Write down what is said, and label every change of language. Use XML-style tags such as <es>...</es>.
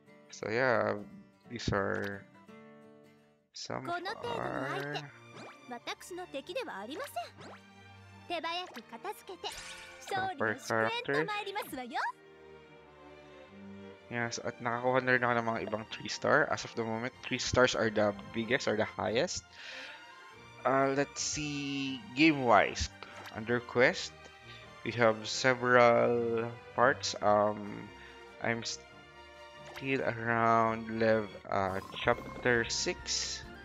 <en>So yeah, these are some</en> <ja>この程度の相手、私の敵ではありません。手早く片付けて、勝利の祝宴と参りますわよ。</ja> <tl>Yes, at nakakuha na rin ako ng mga ibang 3 star.</tl> <en>As of the moment, 3 stars are the biggest or the highest. Let's see, game-wise. Under quest, we have several parts. I'm still around chapter 6.</en>